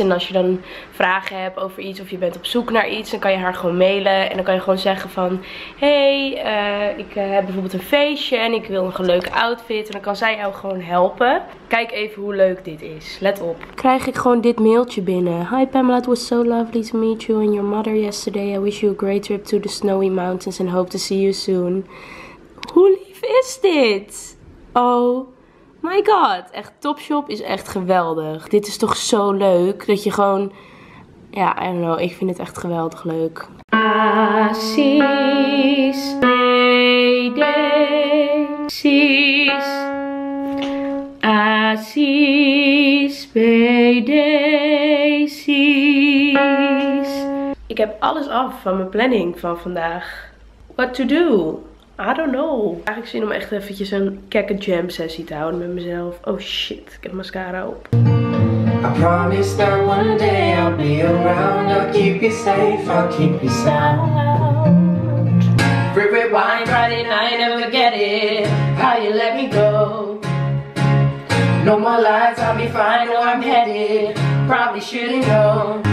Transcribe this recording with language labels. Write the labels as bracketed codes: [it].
[nl] En als je dan vragen hebt over iets of je bent op zoek naar iets, dan kan je haar gewoon mailen. En dan kan je gewoon zeggen van, hey, ik heb bijvoorbeeld een feestje en ik wil nog een leuke outfit. En dan kan zij jou gewoon helpen. Kijk even hoe leuk dit is. Let op. Krijg ik gewoon dit mailtje binnen. [en] Hi Pamela, it was so lovely to meet you and your mother yesterday. I wish you a great trip to the snowy mountains and hope to see you soon. [nl] Hoe lief is dit? [en] Oh, my god, [nl] echt Topshop is echt geweldig. Dit is toch zo leuk dat je gewoon, ja, [en] I don't know, [nl] ik vind het echt geweldig leuk. Assis, Assis, Assis, Assis. Ik heb alles af van mijn planning van vandaag. [en] What to do? I don't know. [nl] Eigenlijk zin om echt eventjes een kekke jam sessie te houden met mezelf. [en] Oh shit, [nl] ik heb mascara op. [en] I promise that one day I'll be around. I'll keep you safe, I'll keep you sound. Free red wine, Friday night, never forget it. How you let me go. No more lies, I'll be fine, no, I'm headed. Probably shouldn't go.